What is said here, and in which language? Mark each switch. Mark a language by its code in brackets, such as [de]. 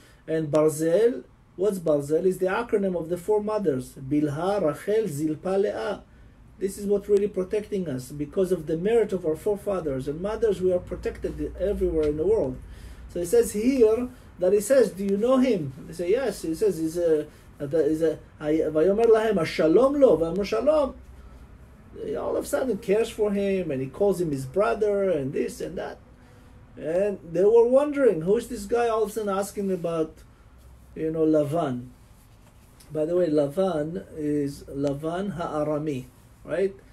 [en] And Barzel, what's Barzel? Is the acronym of the four mothers. Bilha, Rachel, Zilpa, Leah. This is what's really protecting us. Because of the merit of our forefathers and mothers, we are protected everywhere in the world. So it says here that he says, do you know him? They say, yes. He says, he's a... [he] ויאמר להם, השלום לו, ויאמר שלום. [en] All of a sudden he cares for him, and he calls him his brother, and this and that. And they were wondering, who is this guy all of a sudden asking about, you know, Lavan? By the way, Lavan is Lavan Ha'arami, right?